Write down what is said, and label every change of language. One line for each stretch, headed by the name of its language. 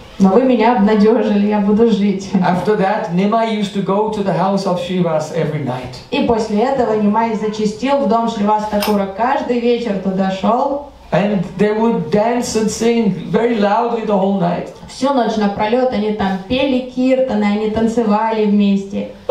Russian: но вы меня обнадежили, я буду жить.
English: After that, Nima used to go to the house of Shrivas every night.
Russian: И после этого Нима зачастил в дом Шривас Такура, каждый вечер туда шел.
English: And they would dance and sing very loudly the whole night.
Russian: Всю ночь напролет они там пели киртаны, они танцевали вместе.